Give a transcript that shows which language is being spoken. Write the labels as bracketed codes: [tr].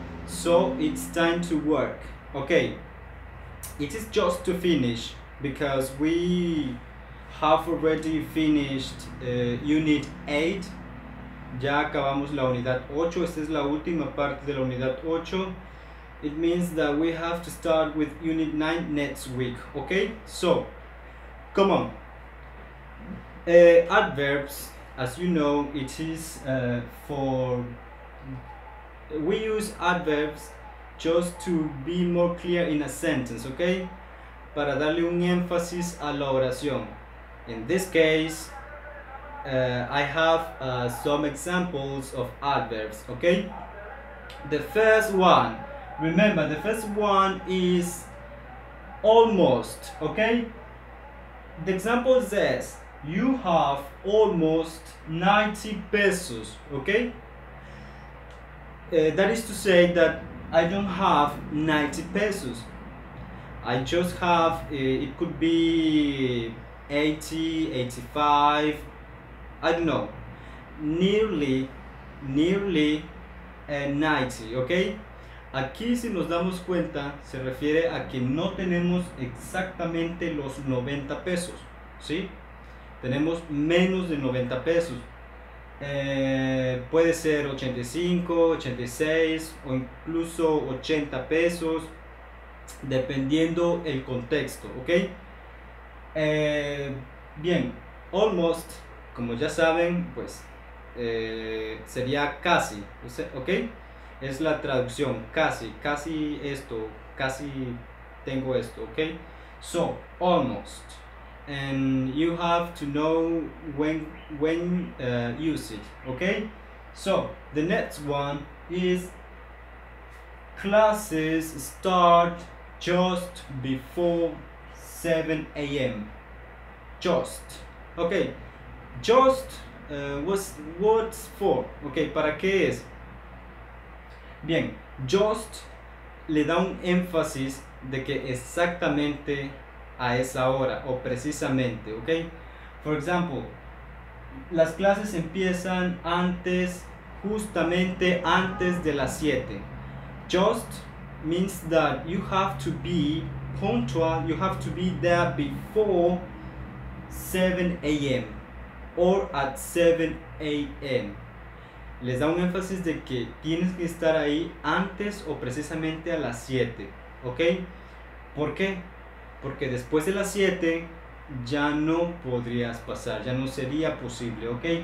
[en] So, it's time to work, okay? It is just to finish, because we have already finished unit 8. [es] Ya acabamos la unidad 8. Esta es la última parte de la unidad 8. [en] It means that we have to start with unit 9 next week, okay? So, come on. Adverbs, as you know, it is for... We use adverbs just to be more clear in a sentence, okay? [es] Para darle un énfasis a la oración. [en] In this case, I have some examples of adverbs, okay? The first one, remember, the first one is almost, okay? The example says, you have almost 90 pesos, okay? That is to say that I don't have 90 pesos. I just have, it could be 80, 85, I don't know, nearly 90, okay? [es] Aquí, si nos damos cuenta, se refiere a que no tenemos exactamente los 90 pesos, ¿sí? Tenemos menos de 90 pesos. Puede ser 85, 86 o incluso 80 pesos, dependiendo el contexto, ¿ok? Bien, almost, como ya saben, pues sería casi, ¿ok? Es la traducción, casi, casi esto, casi tengo esto, ¿ok? [en] So, almost. And you have to know when use it, okay? So the next one is classes start just before 7 a.m. Just, okay? Just what's for? Okay, [es] para qué es? Bien, just le da un énfasis de que exactamente a esa hora o precisamente, ok. [en] For example, [es] las clases empiezan antes, justamente antes de las 7. [en] Just means that you have to be punctual, you have to be there before 7 a.m. or at 7 a.m. [es] Les da un énfasis de que tienes que estar ahí antes o precisamente a las 7, ok. ¿Por qué? porque después de las 7 ya no podrías pasar, ya no sería posible, ¿ok?